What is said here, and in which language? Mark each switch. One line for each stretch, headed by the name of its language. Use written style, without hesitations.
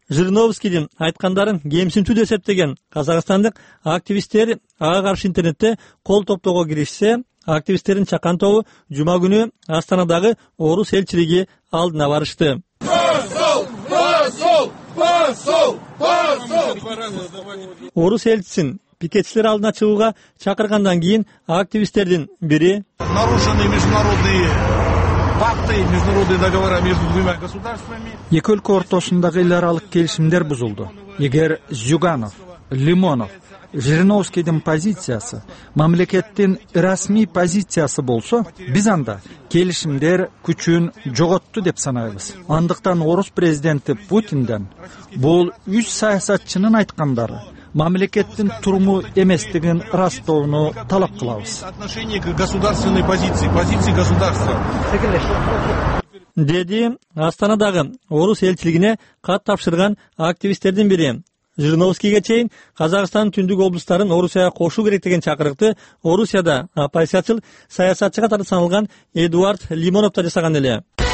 Kyrgyz: Жириновскийдин айткандарын кемсинтүү деп эсептеген казакстандык активисттер ага каршы интернетте кол топтоого киришсе, активисттердин чакан тобу жума күнү Астанадагы орус элчилиги алдына барышты. Орус элчисин пикетчилер алдына чыгууга чакыргандан кийин активисттердин бири
Russian: нарушены международные факты, международные договора между двумя государствами.
Kyrgyz: Эки өлкө ортосундагы эл аралык келишимдер бузулду. Эгер Зюганов, Лимонов, Жириновскийдин позициясы мамлекеттин расмий позициясы болсо, биз анда келишимдер күчүн жоготту деп санайбыз. Андыктан орус президенти Путиндин бул үч саясатчынын айткандары мамлекеттин туруму эместигин ырастоону талап кылабыз.
Russian: Отношение к государственной позиции, позиции государства.
Kyrgyz: Деди Астанадагы орус элчилигине кат тапшырган активисттердин бири. Жириновскийге чейин Казакстандын түндүк облустарын Орусияга кошуу керек деген чакырыкты Орусияда оппозициячыл саясатчы катары саналган Эдуард Лимонов да жасаган эле.